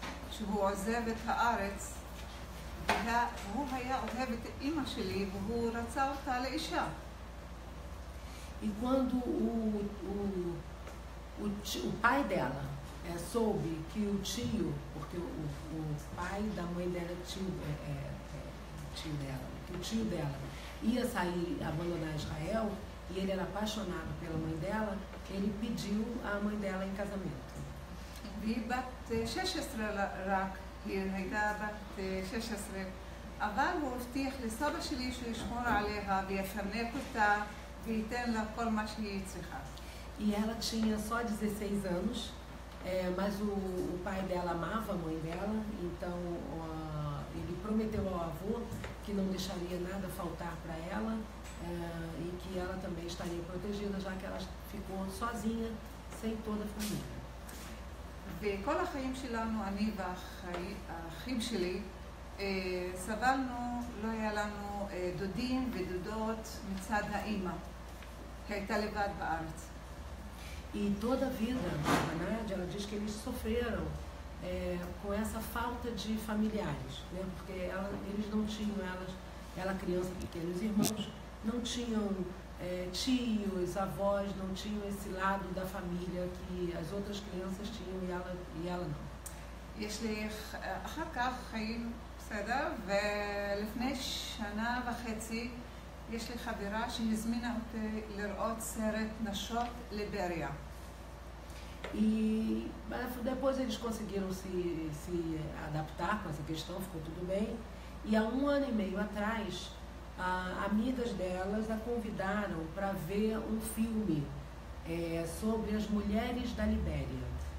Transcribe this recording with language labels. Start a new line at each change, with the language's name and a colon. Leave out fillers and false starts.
Hebrew: שהוא עוזב את הארץ, והוא היה אוהב את אימא שלי והוא רצה אותה לאישה.
Portuguese: E quando o pai dela soube que o tio, porque o pai da mãe dela tio dela ia sair, abandonar Israel, e ele era apaixonado pela mãe dela, ele pediu a mãe dela em casamento.
Hebrew: והיא בת 16 רק, היא הייתה בת 16, אבל הוא הבטיח לסבא שלי שהוא ישמור עליה ויפנק אותה וייתן לה כל מה שהיא צריכה.
Portuguese: E ela tinha só 16 anos, mas o pai dela amava a mãe dela, então ele prometeu ao avô que não deixaria nada faltar para ela, e que ela também estaria protegida, já que ela ficou sozinha, sem toda a família.
Hebrew: בכל החיים שלנו, אני והאחים שלי, סבלנו, לא היה לנו דודים ודודות מצד האימא, כי הייתה לבד בארץ.
Portuguese: E toda a vida, verdade, ela diz que eles sofreram com essa falta de familiares, né? Porque eles não tinham, ela criança pequena, os irmãos não tinham tios, avós, não tinham esse lado da família que as outras crianças tinham e ela não.
Hebrew: יש לי אחר כך חיים בסדר, ולפני שנה וחצי יש לי חברה שהזמינה אותי לראות סרט נשות ליבריה.
Portuguese: E depois eles conseguiram se adaptar com essa questão, ficou tudo bem. E há um ano e meio atrás, amigas delas a convidaram para ver um filme sobre as mulheres da Libéria.